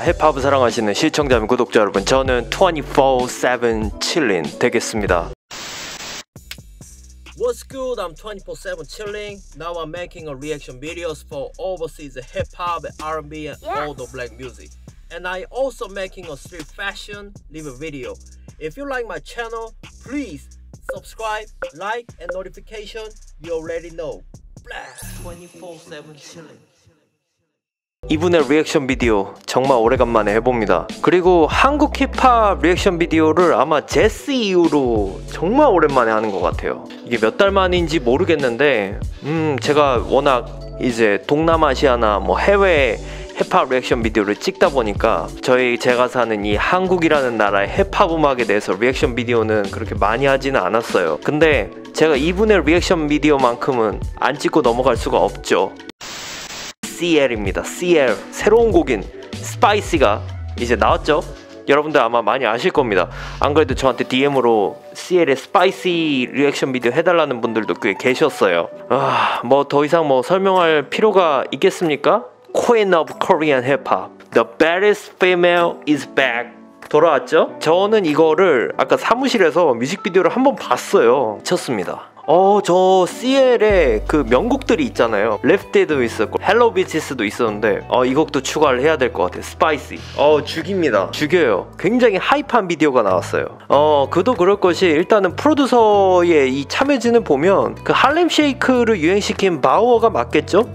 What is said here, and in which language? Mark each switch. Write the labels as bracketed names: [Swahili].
[Korean] 힙합을 사랑하시는 시청자 및 구독자 여러분, 저는 24/7 chilling 되겠습니다. [English] What's good? I'm 24/7 chilling. Now I'm making a reaction videos for overseas hip-hop, R&B, and yes. all the black music. And I also making a street fashion live video. If you like my channel, please subscribe, like, and notification. You already know. Blast 24/7 chilling. [Korean] 이분의 리액션 비디오 정말 오래간만에 해봅니다. 그리고 한국 힙합 리액션 비디오를 아마 제스 이후로 정말 오랜만에 하는 것 같아요. 이게 몇 달 만인지 모르겠는데 제가 워낙 이제 동남아시아나 뭐 해외 힙합 리액션 비디오를 찍다 보니까 제가 사는 이 한국이라는 나라의 힙합 음악에 대해서 리액션 비디오는 그렇게 많이 하지는 않았어요. 근데 제가 이분의 리액션 비디오만큼은 안 찍고 넘어갈 수가 없죠. CL입니다. CL 새로운 곡인 Spicy가 이제 나왔죠. 여러분들 아마 많이 아실 겁니다. 안 그래도 저한테 DM으로 CL의 Spicy 리액션 비디오 해달라는 분들도 꽤 계셨어요. 뭐 더 이상 뭐 설명할 필요가 있겠습니까? [English] Queen of Korean Hip Hop, The Baddest Female is Back. [Korean] 돌아왔죠? 저는 이거를 아까 사무실에서 뮤직비디오를 한번 봤어요. 미쳤습니다. 저 CL의 그 명곡들이 있잖아요. Left Dead도 있었고 Hello Bitches도 있었는데 이 곡도 추가를 해야 될 것 같아요. Spicy 죽입니다. 죽여요. 굉장히 하이파한 비디오가 나왔어요. 그도 그럴 것이 일단은 프로듀서의 이 참여진을 보면 그 할렘 쉐이크를 유행시킨 바우어가 맞겠죠?